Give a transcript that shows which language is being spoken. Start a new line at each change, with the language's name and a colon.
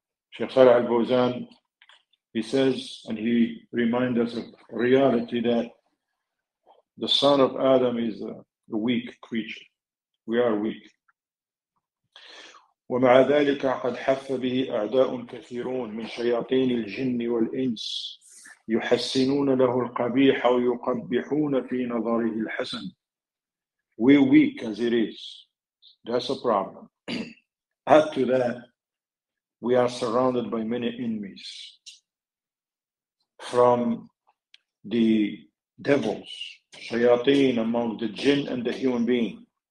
English: شيخ صالح الفوزان, he says and he reminds us of reality that the son of Adam is a weak creature. We are weak.
Arabic: ومع ذلك قد حف به أعداء كثيرون من شياطين الجن والإنس يحسنون له القبيح ويقبحون في نظره الحسن.
English: We weak as it is. That's a problem. Add to that, we are surrounded by many enemies from the devils, شياطين among the jinn and the human being.